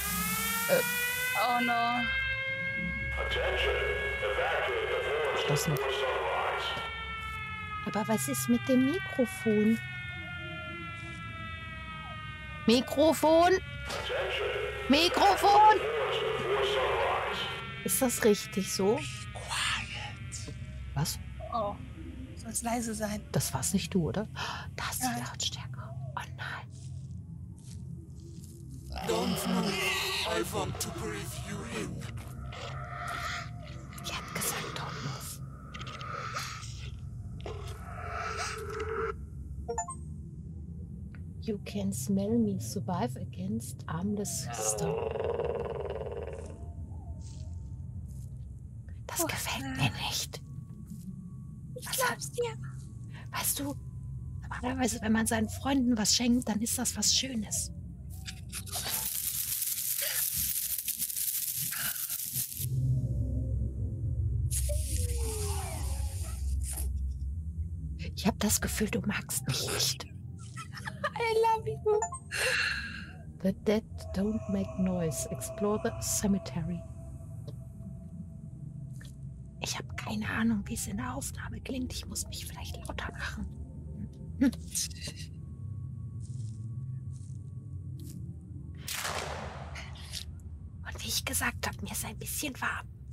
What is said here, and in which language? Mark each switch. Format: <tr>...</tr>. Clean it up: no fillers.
<en>Oh no. Attention. Evacuate the</en> <de>das noch. Aber was ist mit dem Mikrofon? Mikrofon? Mikrofon? Ist das richtig so?</de> <en>Quiet.</en> <de>Was? Oh, soll es leise sein. Das war's nicht du, oder? Das ist die Lautstärke. Oh nein.</de> <en>Don't move. I want to breathe you in.</en> <de>Ich hab gesagt,</de> <en>don't move. You can smell me. Survive against armless sister.</en> <de>Das gefällt mir nicht. Ich glaub's dir. Weißt du, normalerweise, wenn man seinen Freunden was schenkt, dann ist das was Schönes. Ich hab das Gefühl, du magst mich nicht.</de> <en>I love you. The dead don't make noise. Explore the cemetery.</en> <de>Ich habe keine Ahnung, wie es in der Aufnahme klingt. Ich muss mich vielleicht lauter machen. Und wie ich gesagt habe, mir ist ein bisschen warm.</de>